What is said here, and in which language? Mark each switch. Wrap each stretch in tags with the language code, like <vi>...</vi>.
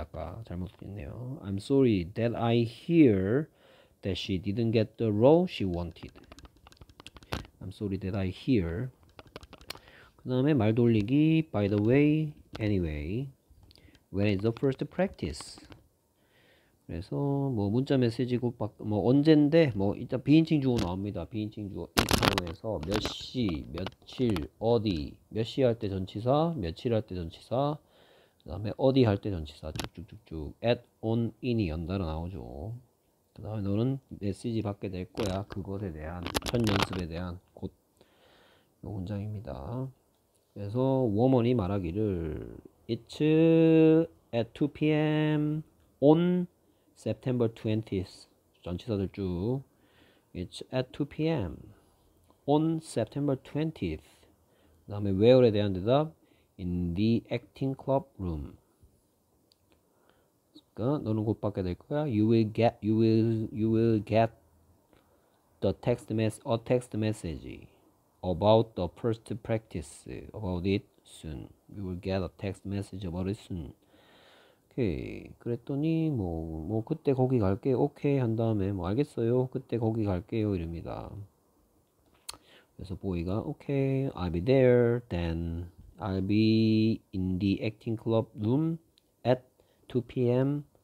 <ko>아까 잘못 듣겠네요.</ko> <en>I'm sorry that I hear that she didn't get the role she wanted. I'm sorry that I hear.</en> <ko>그 다음에 말 돌리기.</ko> <en>By the way, anyway, when is the first practice?</en> <ko>그래서 뭐 문자 메시지 곧뭐 언젠데 뭐 이따 비인칭 주어 나옵니다. 비인칭 주어 if 사용해서 몇시 며칠 어디 몇시할때 전치사 며칠 할때 전치사 그다음에 어디 할때 전치사 쭉쭉쭉쭉 at on in이 연달아 나오죠. 그다음에 너는 메시지 받게 될 거야. 그것에 대한 첫 연습에 대한 곧이 문장입니다. 그래서 워먼이 말하기를</ko> <en>it's at 2 p.m. on September 20th.</en> <ko>전치사들 쭉.</ko> <en>It's at 2 p.m. on September 20th.</en> <ko>그 다음에 where에 대한 대답.</ko> <en>In the acting club room.</en> <ko>그러니까 너는 곧 받게 될 거야.</ko> <en>You will get a text message about the first practice about it soon. You will get a text message about it soon.</en> <ko>오케이. 그랬더니 뭐 그때 거기 갈게. 오케이 한 다음에 뭐 알겠어요. 그때 거기 갈게요 이릅니다. 그래서 보이가 오케이.</ko> <en>I'll be there then. I'll be in the acting club room at 2 p.m.</en>